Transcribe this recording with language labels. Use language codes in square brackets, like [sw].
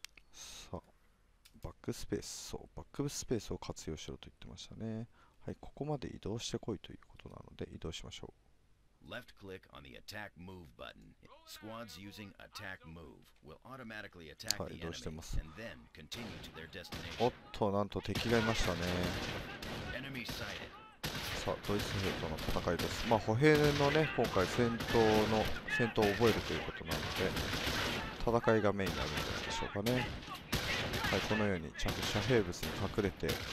[ja] さあ、バックスペース、そう、バックスペースを活用しろと言ってましたね。はい、ここまで移動してこいということなので移動しましょう。 [en] Left click on the attack move button. Squads using attack move will automatically attack the enemy and then continue to their destination. [ja] おっと、なんと敵がいましたね。 [en] Enemy sighted. [ja] さあ、ドイツ兵との戦いです。まあ、歩兵のね、今回戦闘を覚えるということなので、戦いがメインになるんでしょうかね。はい、このようにちゃんと遮蔽物に隠れて。